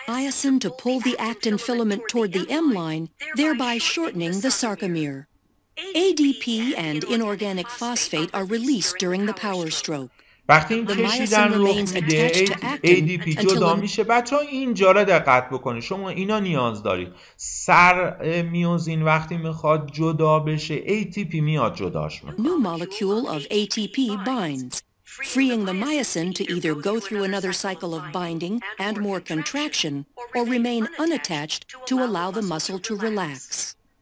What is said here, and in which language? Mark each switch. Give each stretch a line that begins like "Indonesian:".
English: Myosin to pull the actin filament toward the M line, thereby shortening the sarcomere. ADP and inorganic phosphate are released during the power stroke.
Persian: وقتی این کشیدن رو میده ADP جدا میشه. بچه ها اینجا را دقت بکنید، شما اینا نیاز دارید. سر میوزین وقتی میخواد جدا بشه ATP میاد جداش میکنه.
English: New molecule of ATP binds, freeing the myosin to either go through another cycle of binding and more contraction or remain unattached to allow the muscle to relax.